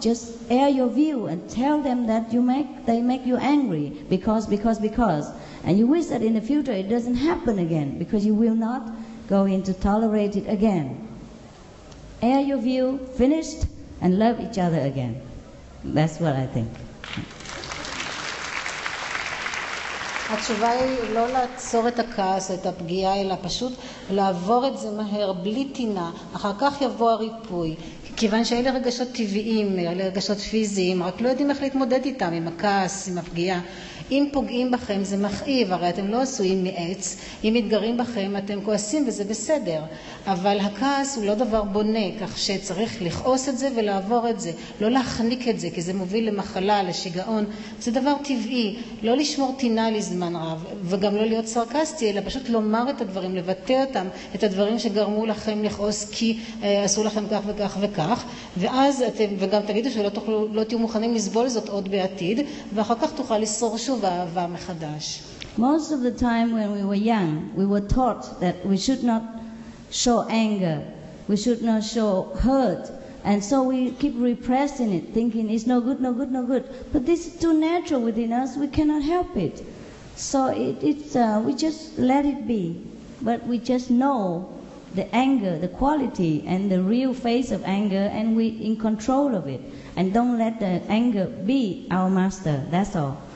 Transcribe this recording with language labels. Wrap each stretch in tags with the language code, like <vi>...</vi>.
<en>Just air your view and tell them that they make you angry because. And you wish that in the future it doesn't happen again, because you will not go in to tolerate it again. Air your view, finished, and love each other again. That's what I think.</en> <he>התשובה היא לא לעצור את הכעס, את הפגיעה, אלא פשוט לעבור את זה מהר, בלי טינה. אחר כך יבוא הריפוי. כיוון שאלה רגשות טבעיים, אלה רגשות פיזיים, רק לא יודעים איך להתמודד איתם, עם הכעס, עם הפגיעה. אם פוגעים בכם זה מכאיב, הרי אתם לא עשויים מעץ. אם מתגרים בכם אתם כועסים וזה בסדר. אבל הכעס הוא לא דבר בונה, כך שצריך לכעוס את זה ולעבור את זה. לא להחניק את זה, כי זה מוביל למחלה, לשגעון. זה דבר טבעי, לא לשמור טינה לזמן רב, וגם לא להיות סרקסטי, אלא פשוט לומר את הדברים, לבטא אותם, את הדברים שגרמו לכם לכעוס כי עשו לכם כך וכך וכך. ואז אתם, וגם תגידו שלא תוכלו, לא תהיו מוכנים לסבול זאת עוד בעתיד, ואחר כך תוכל לסרור שוב אהבה מחדש.</he> <en>Most of the time when we were young, we were taught that we should not show anger, we should not show hurt, and so we keep repressing it, thinking it's no good. But this is too natural within us, we cannot help it. So we just let it be, but we just know the anger, the quality and the real face of anger, and we in control of it, and don't let the anger be our master. That's all.</en>